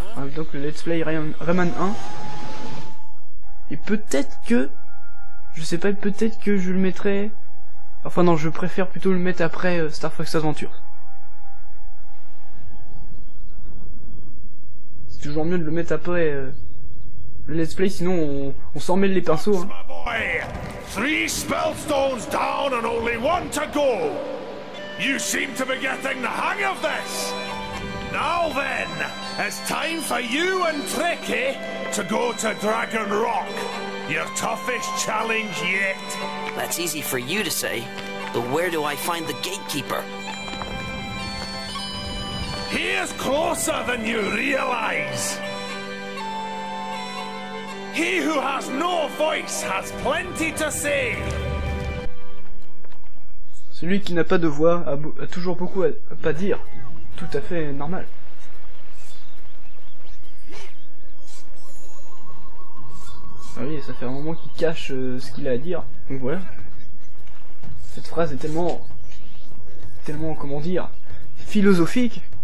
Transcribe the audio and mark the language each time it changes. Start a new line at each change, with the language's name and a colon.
French: En même temps que le Let's Play Rayman 1. Et peut-être que, je sais pas, peut-être que je le mettrai, enfin non, je préfère plutôt le mettre après Star Fox Adventure. C'est toujours mieux de le mettre après le Let's Play, sinon on s'en mêle les pinceaux. Hein.
English: Three spellstones down and only one to go. You seem to be getting the hang of this. Now then, it's time for you and Tricky to go to Dragon Rock. Your toughest challenge yet. That's easy for you to say, but where do I find the gatekeeper? He is closer than you realize. He who has no voice has plenty to say.
French: Celui qui n'a pas de voix a toujours beaucoup à pas dire. Tout à fait normal. Ah oui, ça fait un moment qu'il cache ce qu'il a à dire. Donc voilà. Cette phrase est tellement... tellement, comment dire... philosophique.